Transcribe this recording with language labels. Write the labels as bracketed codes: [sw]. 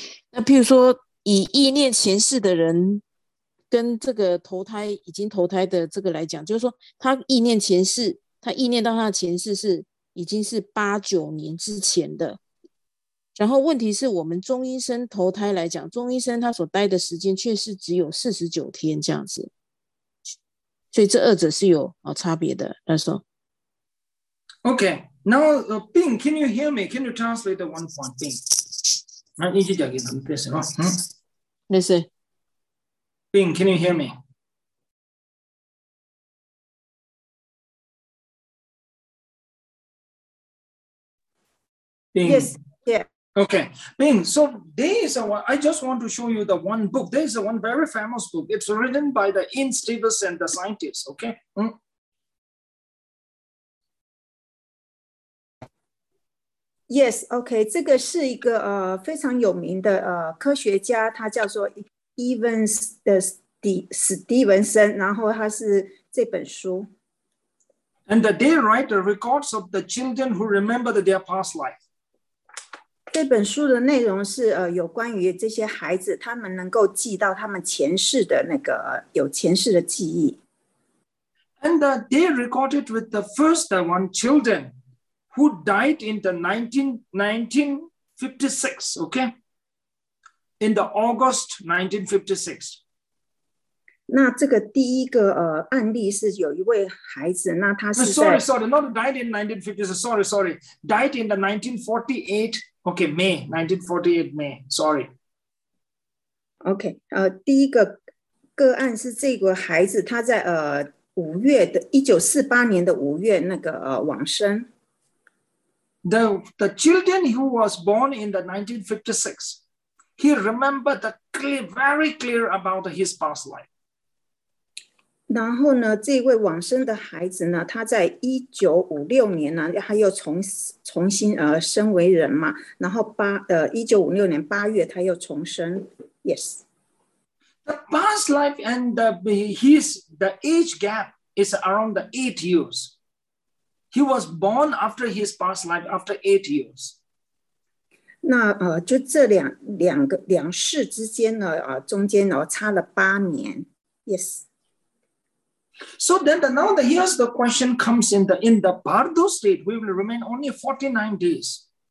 [zh] 那譬如说，以意念前世的人，跟这个投胎已经投胎的这个来讲，就是说，他意念前世，他意念到他的前世是已经是8、9年之前的。然后问题是我们中阴身投胎来讲，中阴身他所待的时间却是只有49天这样子。所以这二者是有差别的。他说。 [en] Okay, now Bing, can you hear me? Can you translate the one point Bing? [zh] 那你就讲给他们听是吧？嗯。没事。 [en] Bing, can you hear me? Yes, yeah. Okay, Bing. So there is a one. I just want to show you the one book. There is a one very famous book. It's written by the Ian Stevens and the scientists. Okay. Yes, okay. [zh] 这个是一个非常有名的科学家，他叫做 Evans 的史蒂文森，然后他是这本书。 [en] And they write the records of the children who remember their past life. [zh] 这本书的内容是有关于这些孩子，他们能够记到他们前世的那个有前世的记忆。 [en] And they recorded with the first one children who died in the 1956, okay? In the August 1956. [zh] 那这个第一个案例是有一位孩子，那他是在。 [en] Sorry, not died in 1950s. Sorry, died in the 1948. Okay, May 1948, May. Sorry. OK， [zh] 第一个个案是这个孩子，他在五月的1948年的五月那个往生。 [en] The children who was born in the 1956, he remembered the clear, very clear about his past life. [zh] 然后呢，这位往生的孩子呢，他在1956年呢，他又重新生为人嘛。然后1956年8月，他又重生。 [en] Yes。 The past life and the age gap is around the 8 years. He was born after his past life, after 8 years. [zh] 那就这两世之间呢，中间呢差了8年。 [en] Yes。 So then here's the question comes in the Bardo state, we will remain only 49 days.